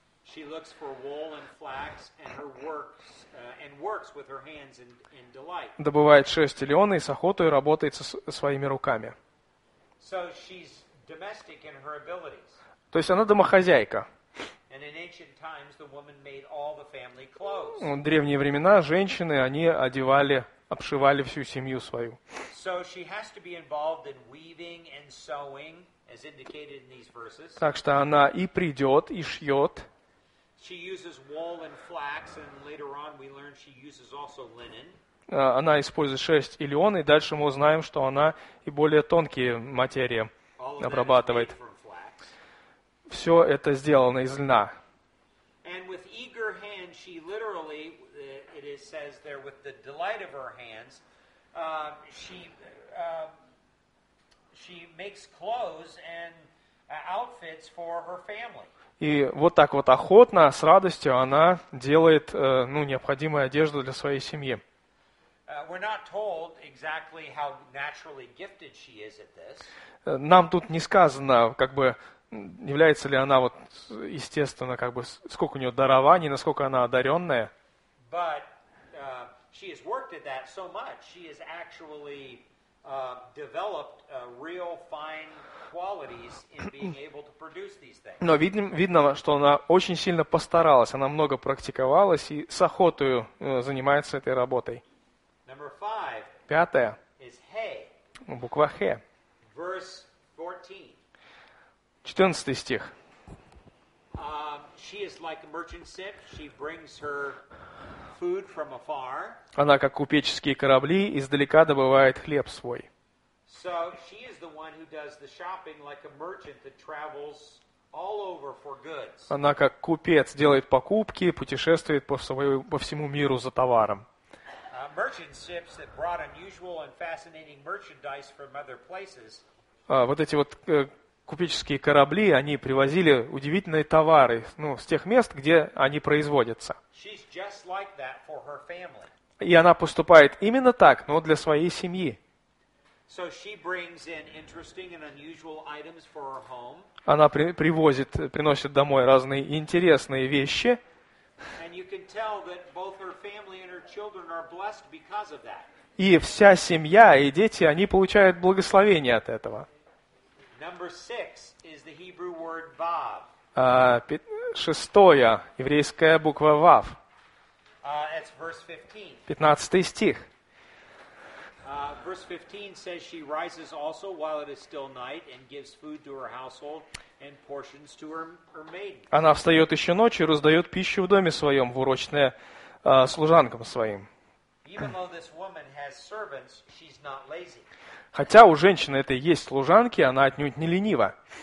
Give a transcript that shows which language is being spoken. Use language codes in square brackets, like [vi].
[en] She looks for wool and flax and her works and works with her hands in delight. [ru] Добывает шерсть и лен и с охотой работает со своими руками. [en] So she's domestic in her abilities. [ru] То есть она домохозяйка. [en] And in ancient times the woman made all the family clothes. [ru] В древние времена женщины, они одевали, обшивали всю семью свою. [en] So she has to be involved in weaving and sewing as indicated in these verses. [ru] Так что она и придет, и шьет. [en] She uses wool and flax, and later on we learn she uses also linen. [ru] Она использует шерсть и лен, и дальше мы узнаем, что она и более тонкие материи обрабатывает. Все это сделано из льна. [en] And with eager hand, she literally, it is says there, with the delight of her hands, she makes clothes and outfits for her family. [ru] И вот так вот охотно, с радостью она делает ну, необходимую одежду для своей семьи. [en] Exactly [ru] нам тут не сказано, как бы, является ли она, вот, естественно, как бы, сколько у нее дарований, насколько она одаренная. [en] But, she has worked at that so much, she has actually developed real fine qualities in being able to produce these things. [ru] Но видно, что она очень сильно постаралась, она много практиковалась и с охотой занимается этой работой. [en] Number five. [ru] Пятое. [en] Is hay. [ru] Буква хэ. [en] Verse 14. [ru] 14 стих. [en] She is like a merchant ship. She brings her food from afar. [ru] Она как купеческие корабли, издалека добывает хлеб свой. [en] So she is the one who does the shopping like a merchant that travels all over for goods. [ru] Она как купец делает покупки, путешествует по всему миру за товаром. [en] Merchant ships that brought unusual and fascinating merchandise from other places. [ru] Вот эти вот купеческие корабли, они привозили удивительные товары, ну, с тех мест, где они производятся. [en] She's just like that for her family. [ru] И она поступает именно так, но для своей семьи. [en] So she brings in interesting and unusual items for her home. [ru] Она привозит, приносит домой разные интересные вещи. [en] And you can tell that both her family and her children are blessed because of that. [ru] И вся семья и дети, они получают благословение от этого. [en] Number six is the Hebrew word vav. [ru] Шестое, еврейская буква вав. [en] It's verse 15. [ru] 15 стих. [en] Verse 15 says she rises also while it is still night and gives food to her household and portions to her maidens. [ru] Она встает еще ночью и раздает пищу в доме своем, в урочное служанкам своим. [en] Even though this woman has servants, she's not lazy. [ru] Хотя у женщины это и есть служанки, она отнюдь не ленива.